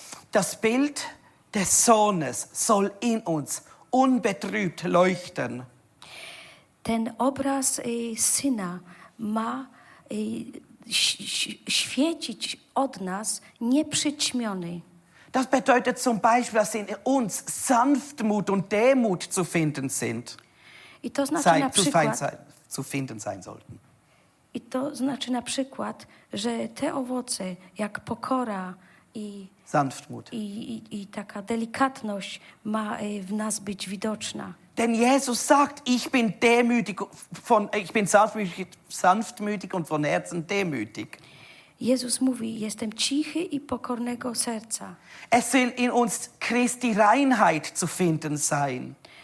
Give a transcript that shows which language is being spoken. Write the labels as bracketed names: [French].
[German] Das Bild des Sohnes soll in uns unbetrübt leuchten. [Polish] Ten obraz Syna ma świecić od nas nieprzyćmiony. [German] Das bedeutet zum Beispiel, dass in uns Sanftmut und Demut zu finden sind. [Polish] I to znaczy na przykład, [German] zu finden sein sollten. [Polish] I to znaczy na przykład, że te owoce, jak pokora i [German] Sanftmut [Polish] i taka delikatność ma w nas być widoczna. [German] Denn Jesus sagt, ich bin sanftmütig und von Herzen demütig. [Polish] Jezus mówi, jestem cichy i pokornego serca. [German] Es soll in uns Christi Reinheit zu finden sein.